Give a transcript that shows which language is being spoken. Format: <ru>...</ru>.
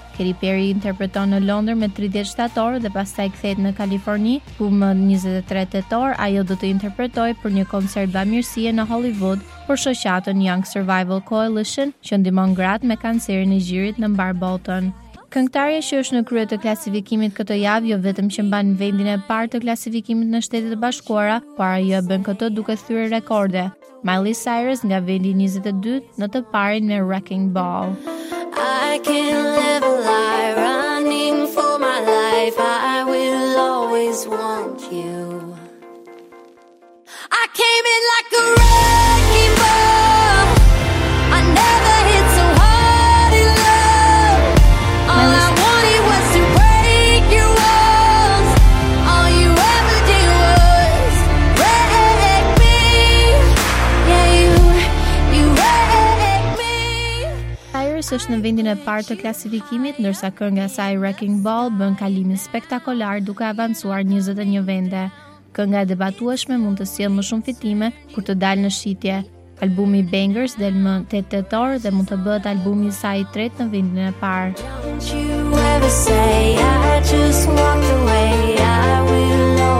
<sq>Katy Perry interpreton në Londër me 30 shtator dhe pastaj kthehet në Kaliforni, ku më 23 tetor ajo do të interpretojë për një koncert bamirësie në Hollywood për shoqatën Young Survival Coalition, që ndihmon gratë me kancerin e gjirit në mbar botën. Këngëtarja që është në krye të klasifikimit këtë javë jo vetëm që mban vendin e parë të klasifikimit në Shtetet e Bashkuara, por ajo bën këtë duke thyer rekorde. Miley Cyrus nga vendi 22 në të parin me Wrecking Ball.</sq> <en>I can live a lie running for my life. I will always want you. I came in like a wrecking ball. I never hit so hard in love. All I wanted was to break your walls. All you ever did was wreck me. Yeah, you wreck me.</en> <sq>Cyrus është në vendin e parë të klasifikimit, ndërsa kënga e saj Wrecking Ball bën kalimin spektakolar duke avancuar 21 vende. Kënga e debatueshme mund të sjellë më shumë fitime kur të dalë në shitje. Albumi Bangers del më 8 tetor dhe mund të bëhet albumi i saj i tretë në vendin e parë.</sq>